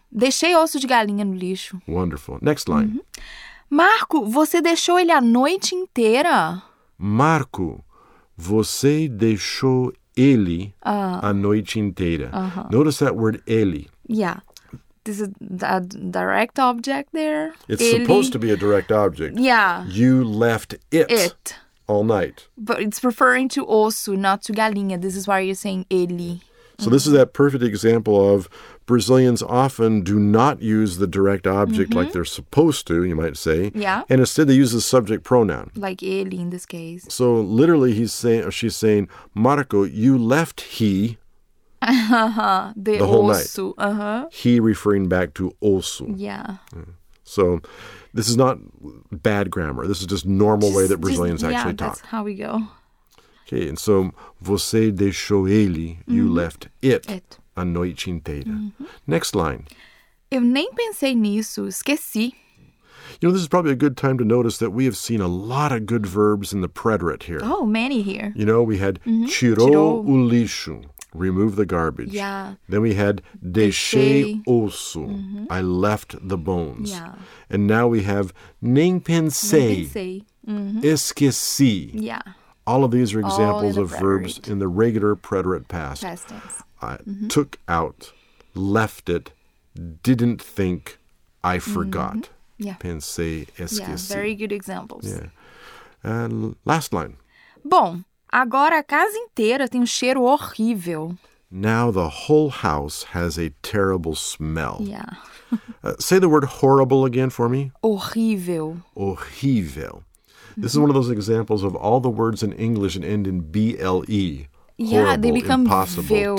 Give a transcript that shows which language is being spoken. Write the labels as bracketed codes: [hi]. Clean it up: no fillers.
[pt] Deixei osso de galinha no lixo. [en] Wonderful. Next line. Mm-hmm. [pt] Marco, você deixou ele a noite inteira? Marco, você deixou ele a noite inteira. Uh-huh. [en] Notice that word ele. Yeah. This is a direct object there. It's ele. Supposed to be a direct object. Yeah. You left it. It. All night. But it's referring to osso, not to galinha. This is why you're saying ele. So This is that perfect example of Brazilians often do not use the direct object like they're supposed to, you might say. Yeah. And instead they use the subject pronoun. Like ele in this case. So literally he's saying, or she's saying, Marco, you left he the whole [pt] osso. [en] Night. Uh-huh. He referring back to osso. Yeah. So... This is not bad grammar. This is just normal way that Brazilians actually talk. Yeah, that's how we go. Okay, and so, [pt] você deixou ele, [en] you left it [pt] a noite inteira. Mm-hmm. Next line. Eu nem pensei nisso, esqueci. [en] You know, this is probably a good time to notice that we have seen a lot of good verbs in the preterite here. Oh, many here. You know, we had [pt] tirou o lixo. [en] Remove the garbage. Yeah. Then we had [pt] deixei osso. [en] Mm-hmm. I left the bones. Yeah. And now we have [pt] nem pensei. Mm-hmm. Esqueci. [en] Yeah. All of these are examples of verbs in the regular preterite past. Past tense. I took out, left it, didn't think, I forgot. Mm-hmm. Yeah. [pt] Pensei, esqueci. [en] Yeah, very good examples. Yeah. Last line. [pt] Bom, agora a casa inteira tem um cheiro horrível. [en] Now the whole house has a terrible smell. Yeah. Say the word horrible again for me. [pt] Horrível. Horrível. [en] This is one of those examples of all the words in English that end in B-L-E. Yeah, horrible, they become impossible, [pt] vil.